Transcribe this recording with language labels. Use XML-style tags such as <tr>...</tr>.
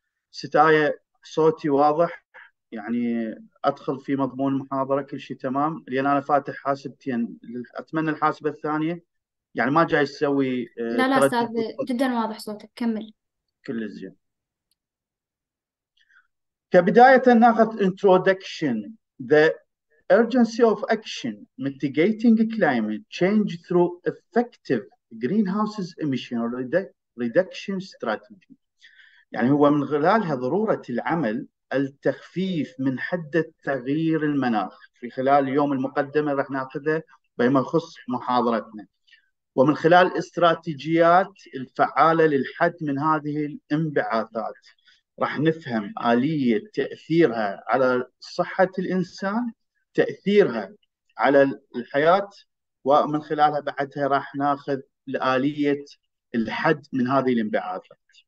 <ar>ستاية صوتي واضح يعني ادخل في مضمون المحاضره كل شيء تمام، لان انا فاتح حاسبتين، اتمنى الحاسبه الثانيه يعني ما جاي تسوي لا لا تردد أستاذ، بالصوت. جدا واضح صوتك، كمل. كل زين. كبدايه ناخذ انترودكشن ذا</ar> <en>urgency of action mitigating climate change through effective greenhouses emission reduction strategy.</en> <ar>يعني هو من خلالها ضرورة العمل التخفيف من حدة تغيير المناخ في خلال اليوم المقدمة راح ناخذها بما يخص محاضرتنا، ومن خلال استراتيجيات الفعالة للحد من هذه الانبعاثات راح نفهم آلية تأثيرها على صحة الإنسان، تأثيرها على الحياة، ومن خلالها بعدها راح ناخذ لآلية الحد من هذه الانبعاثات.</ar>